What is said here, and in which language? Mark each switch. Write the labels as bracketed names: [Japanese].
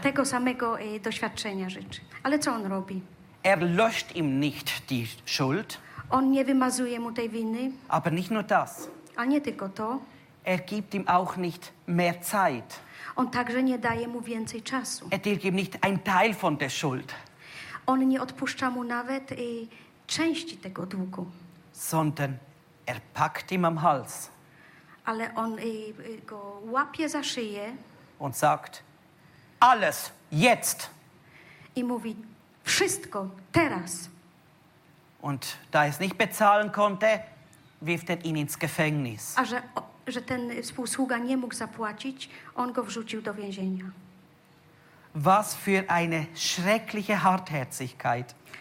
[Polish] Tego samego doświadczenia życzy. Ale co on robi? [German] Er löscht ihm nicht die Schuld. [Polish] On nie wymazuje mu tej winy. [German] Aber nicht nur das. [Polish] A nie tylko to. [German] Er gibt ihm auch nicht mehr Zeit. [Polish] On także nie daje mu więcej czasu. [German] Er gibt ihm nicht ein Teil von der Schuld. [Polish] On nie odpuszcza mu nawet części tego długu. [German] Sondern er packt ihm am Hals. [Polish] Ale on go łapie za szyję. [German] Und sagt, alles, jetzt. [Polish] I mówi, wszystko, teraz. [German] Und da es nicht bezahlen konnte, wirft er ihn ins Gefängnis. [Polish] A że ten współsługa nie mógł zapłacić, on go wrzucił do więzienia. [German] Was für eine schreckliche Hartherzigkeit.